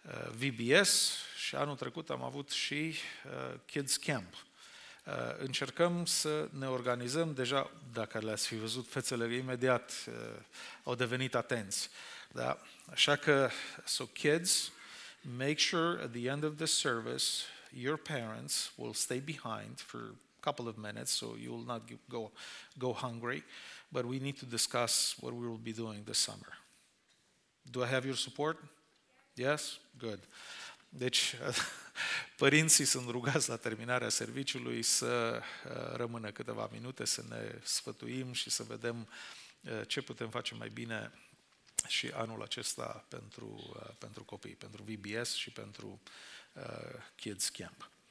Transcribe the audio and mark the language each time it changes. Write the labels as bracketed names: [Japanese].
[Romanian] VBS și anul trecut am avut și Kids Camp. Încercăm să ne organizăm, deja dacă le-ați fi văzut fețele, imediat au devenit atenți. Da? Așa că, [English] so kids, make sure at the end of the service your parents will stay behind for a couple of minutes so you will not go hungry. But we need to discuss what we will be doing this summer. Do I have your support? Yes? Good. [Romanian] Deci, părinții sunt rugați la terminarea serviciului să rămână câteva minute, să ne sfătuim și să vedem ce putem face mai bine și anul acesta pentru copii, pentru VBS și pentru Kids Camp.